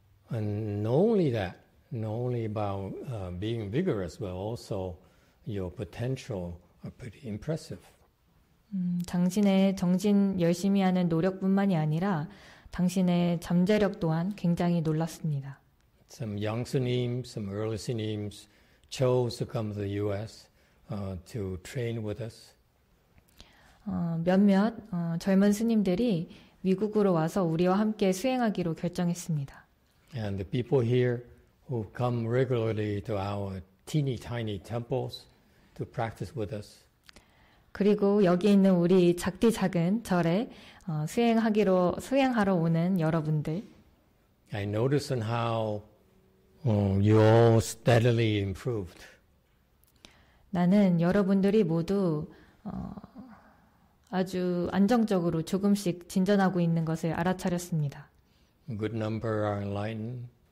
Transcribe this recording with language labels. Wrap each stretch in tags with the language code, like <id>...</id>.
<en>And not only that, not only about being vigorous, but also your potential are pretty impressive.</en> <ko>당신의 정진 열심히 하는 노력뿐만이 아니라 당신의 잠재력 또한 굉장히 놀랐습니다.</ko> <en>Some young sunim, some early sunim chose to come to the U.S. To train with us.</en> <ko>몇몇 젊은 스님들이 미국으로 와서 우리와 함께 수행하기로 결정했습니다.</ko> <en>And the people here who come regularly to our teeny tiny temples to practice with us.</en> <ko>그리고 여기 있는 우리 작디 작은 절에 수행하러 오는 여러분들.</ko> <en>I noticed on how you all steadily improved.</en> <ko>나는 여러분들이 모두 아주 안정적으로 조금씩 진전하고 있는 것을 알아차렸습니다.</ko> <en>Good number are enlightened.</en>